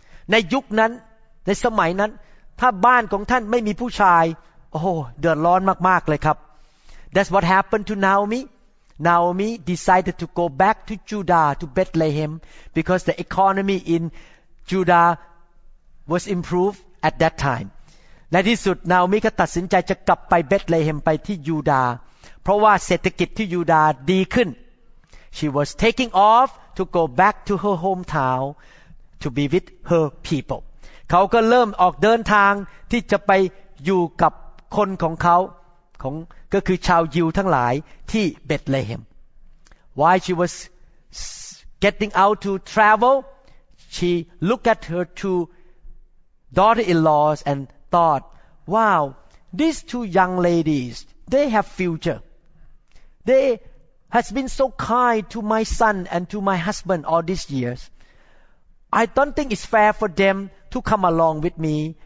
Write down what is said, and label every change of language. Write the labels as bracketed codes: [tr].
[th] ในยุคนั้นในสมัยนั้นถ้าบ้านของท่านไม่มีผู้ชายโอ้เดือดร้อนมากๆเลยครับ [en] That's what happened to NaomiNaomi decided to go back to Judah, to Bethlehem, because the economy in Judah was improved at that time. [th] ในที่สุด Naomi ก็ตัดสินใจจะกลับไปเบธเลเฮมไปที่ยูดาห์เพราะว่าเศรษฐกิจที่ยูดาห์ดีขึ้น [en] She was taking off to go back to her hometown to be with her people. [th] เขาก็เริ่มออกเดินทางที่จะไปอยู่กับคนของเขาของก็คือชาวยิวทั้งหลายที่เบธเลเฮม [en] While she was getting out to travel, she looked at her two daughter-in-laws and thought, "Wow, these two young ladies, they have future. They has been so kind to my son and to my husband all these years. I don't think it's fair for them to come along with me.